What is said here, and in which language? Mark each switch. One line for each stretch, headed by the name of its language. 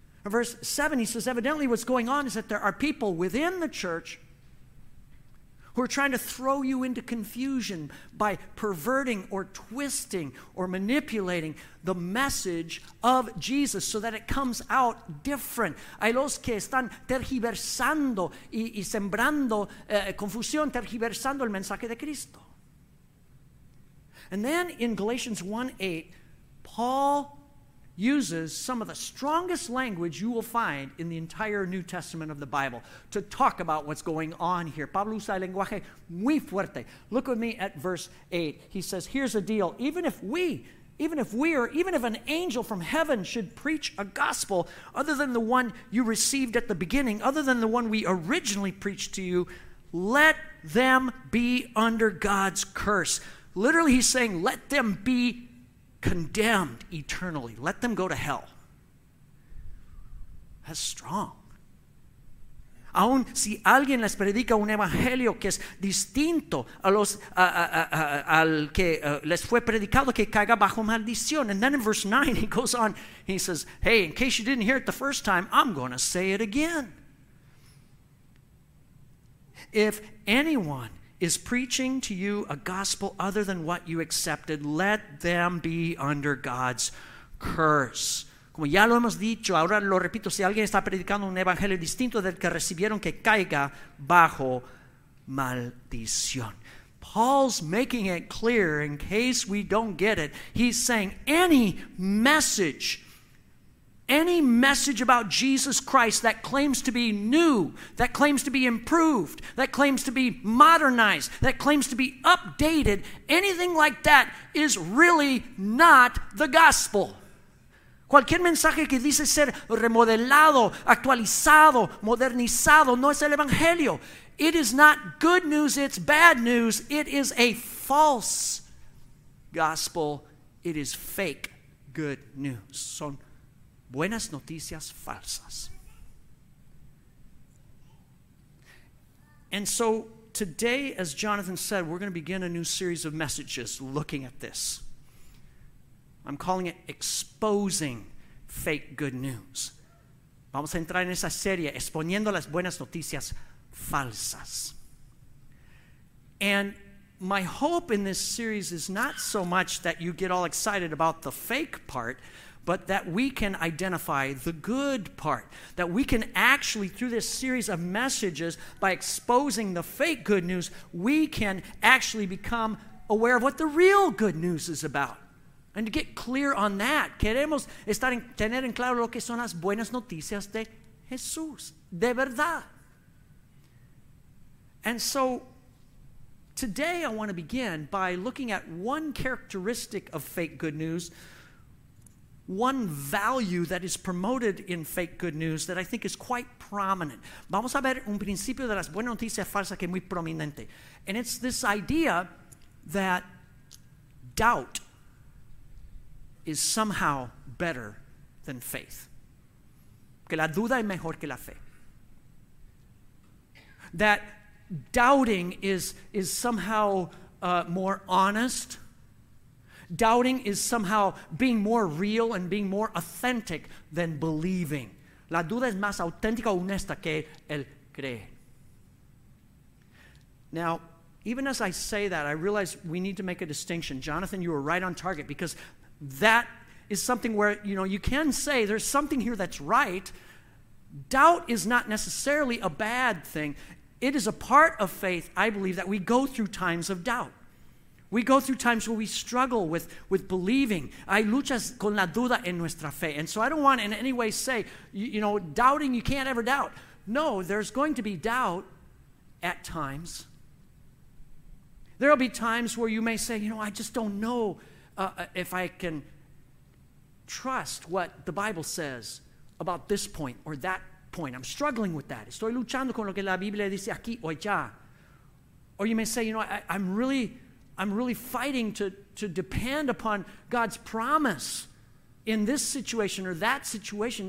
English: verse 7, he says, evidently what's going on is that there are people within the church who are trying to throw you into confusion by perverting or twisting or manipulating the message of Jesus so that it comes out different.
Spanish: Hay los que están tergiversando y sembrando confusión, tergiversando el mensaje de Cristo.
English: And then in Galatians 1:8, Paul uses some of the strongest language you will find in the entire New Testament of the Bible to talk about what's going on here.
Spanish: Pablo usa el lenguaje muy fuerte.
English: Look with me at verse 8. He says, here's the deal. Even if an angel from heaven should preach a gospel other than the one you received at the beginning, other than the one we originally preached to you, let them be under God's curse. Literally, he's saying, let them be condemned eternally. Let them go to hell. That's strong.
Spanish: Aun si alguien les predica un evangelio que es distinto a los al que les fue predicado, que caiga bajo maldición.
English: And then in verse 9, he goes on, he says, hey, in case you didn't hear it the first time, I'm going to say it again. If anyone is preaching to you a gospel other than what you accepted, let them be under God's curse.
Spanish: Como ya lo hemos dicho, ahora lo repito, si alguien está predicando un evangelio distinto del que recibieron, que caiga bajo maldición.
English: Paul's making it clear, in case we don't get it, he's saying any message about Jesus Christ that claims to be new, that claims to be improved, that claims to be modernized, that claims to be updated, anything like that is really not the gospel.
Spanish: Cualquier mensaje que dice ser remodelado, actualizado, modernizado, no es el evangelio.
English: It is not good news, it's bad news. It is a false gospel. It is fake good news.
Spanish: Son buenas noticias falsas.
English: And so today, as Jonathan said, we're going to begin a new series of messages looking at this. I'm calling it Exposing Fake Good News.
Spanish: Vamos a entrar en esa serie, Exponiendo las Buenas Noticias Falsas.
English: And my hope in this series is not so much that you get all excited about the fake part, but that we can identify the good part, that we can actually, through this series of messages, by exposing the fake good news, we can actually become aware of what the real good news is about. And to get clear on that,
Spanish: queremos estar en, tener en claro lo que son las buenas noticias de Jesús, de verdad.
English: And so today I want to begin by looking at one characteristic of fake good news, one value that is promoted in fake good news that I think is quite prominent.
Spanish: Vamos a ver un principio de las buenas noticias falsas que es muy prominente.
English: And it's this idea that doubt is somehow better than faith.
Spanish: Que la duda es mejor que la fe.
English: That doubting is somehow more honest. Doubting is somehow being more real and being more authentic than believing.
Spanish: La duda es más auténtica o honesta que el creer.
English: Now, even as I say that, I realize we need to make a distinction. Jonathan, you were right on target, because that is something where, you know, you can say there's something here that's right. Doubt is not necessarily a bad thing. It is a part of faith, I believe, that we go through times of doubt. We go through times where we struggle with believing.
Spanish: Hay luchas con la duda en nuestra fe.
English: And so I don't want in any way say, you know, doubting, you can't ever doubt. No, there's going to be doubt at times. There will be times where you may say, you know, I just don't know if I can trust what the Bible says about this point or that point. I'm struggling with that.
Spanish: Estoy luchando con lo que la Biblia dice aquí o allá.
English: Or you may say, you know, I'm really fighting to depend upon God's promise in this situation or that situation.